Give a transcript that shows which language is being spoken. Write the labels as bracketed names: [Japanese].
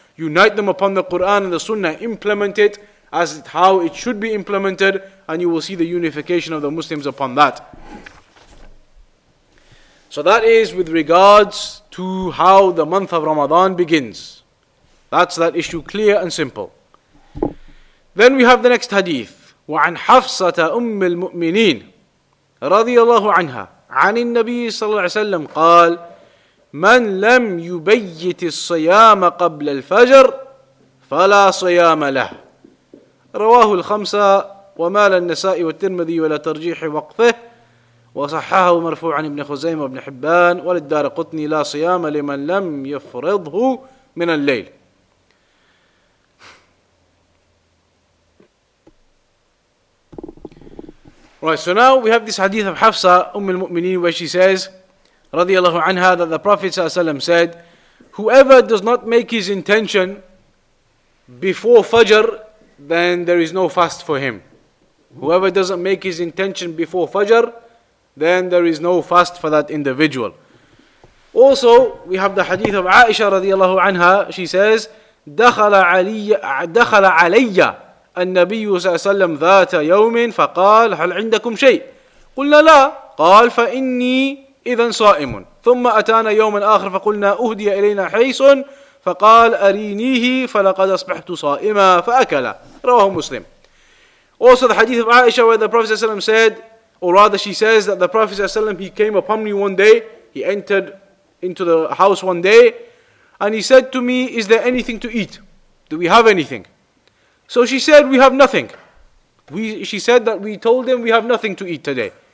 [English] Unite them upon the Quran and the Sunnah. Implement it as how it should be implemented, and you will see the unification of the Muslims upon that. So that is with regards to how the month of Ramadan begins. That's that issue, clear and simple. Then we have the next hadith. [Arabic] وَعَنْ حَفْصَةَ أُمِّ الْمُؤْمِنِينَ رَضِيَ اللَّهُ عَنْهَا عَنِ النَّبِيِّ صَلَّى اللَّهُ عَلَيْهِ وَسَلَّمَ قَالْ مَنْ لَمْ يُبَيِّتِ الصَّيَامَ قَبْلَ الْفَجْرِ فَلَا صَيَامَ لَهُ رواه الخمسة ومال النساء والترمذي ولا ترجيح وقفه وصححه مرفوعا ابن خزيمة وابن حبان وللدار قطني لا صيام لمن لم يفرضه من الليل. [English] Right, so now we have this hadith of Hafsa, Umm al-Mu'mineen, where she says, [Arabic] رضي الله عنها, [English] that the Prophet [Arabic] صلى الله عليه وسلم [English] said, whoever does not make his intention before Fajr, then there is no fast for him. Whoever doesn't make his intention before Fajr, then there is no fast for that individual. Also, we have the hadith of Aisha radiallahu anha. She says, [Arabic] دخل علي النبي صلى الله عليه وسلم ذات يوم فقال هل عندكم شيء؟ قلنا لا. قال فإني إذا صائم. ثم أتانا يوما آخر فقلنا أهدي إلينا حيص فقال أرينيه فلقد أصبحت صائما فأكل. [English] Rawahu Muslim. Also the hadith of Aisha where the Prophet ﷺ said, or rather she says that the Prophet ﷺ, he came upon me one day, he entered into the house one day, and he said to me, is there anything to eat? Do we have anything? So she said, we have nothing. She said that we told him we have nothing to eat today.